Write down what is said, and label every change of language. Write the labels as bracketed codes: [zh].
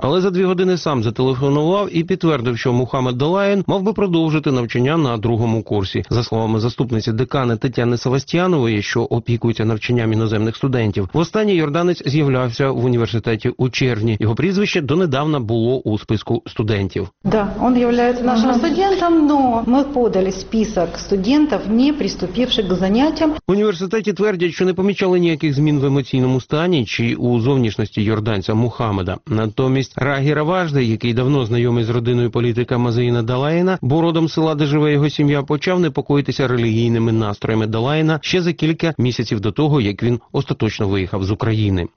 [uk] Але за дві години сам зателефонував і підтвердив, що Мухаммед Далаїн мав би продовжити навчання на другому курсі. За словами заступниці декана Тетяни Савастіанової, що опікується навчанням іноземних студентів, востаннє йорданець з'являвся в університеті у червні. Його прізвище донедавна було у списку студентів. [ru] Да, он является нашим студентом, но мы подали список студентів, не приступивших до заняттям. [uk] В університеті твердять, що не помічали ніяких змін в емоційному стані чи у зовнішності йорданця Мухаммеда. Натомість Рагі Раважди, який давно знайомий з родиною політика Мазеїна Далаїна, бо родом села, де живе його сім'я, почав непокоїтися релігійними настроями Далаїна ще за кілька місяців до того, як він остаточно виїхав з України.